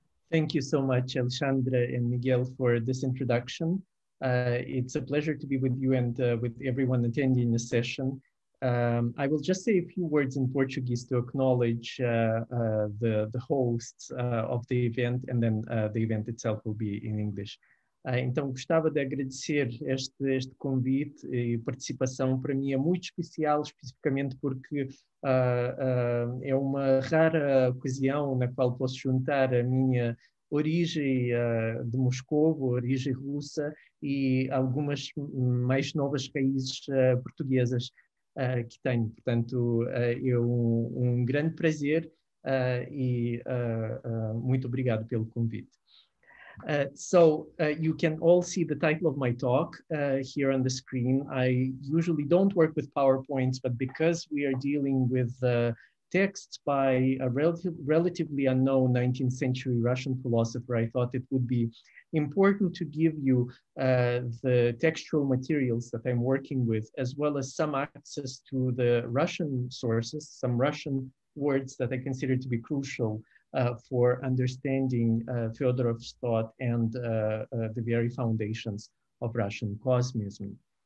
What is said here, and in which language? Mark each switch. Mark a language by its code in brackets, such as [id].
[en] Thank you so much, Alexandra and Miguel, for this introduction. It's a pleasure to be with you and with everyone attending the session. I will just say a few words in Portuguese to acknowledge the hosts of the event, and then the event itself will be in English. [pt] Então, gostava de agradecer este convite e participação. Para mim é muito especial, especificamente porque é uma rara ocasião na qual posso juntar a minha origem de Moscovo, origem russa, e algumas mais novas raízes portuguesas que tenho. Portanto, é um grande prazer e muito obrigado pelo convite. [en] So you can all see the title of my talk here on the screen. I usually don't work with PowerPoints, but because we are dealing with texts by a relatively unknown 19th century Russian philosopher, I thought it would be important to give you the textual materials that I'm working with, as well as some access to the Russian sources, some Russian words that I consider to be crucial for understanding Fedorov's thought and the very foundations of Russian cosmism.